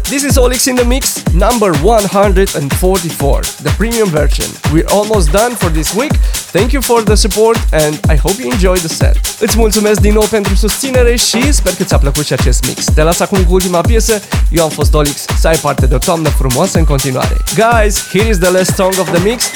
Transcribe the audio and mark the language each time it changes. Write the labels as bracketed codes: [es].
[en] This is OLiX in the Mix, number 144, the premium version. We're almost done for this week. Thank you for the support and I hope you enjoy the set. [ro] Îți mulțumesc din nou pentru susținere și sper că ți-a plăcut și acest mix. Te las acum cu ultima piesă. Eu am fost OLiX. Să ai parte de o toamnă frumoasă în continuare. [en] Guys, here is the last song of the mix.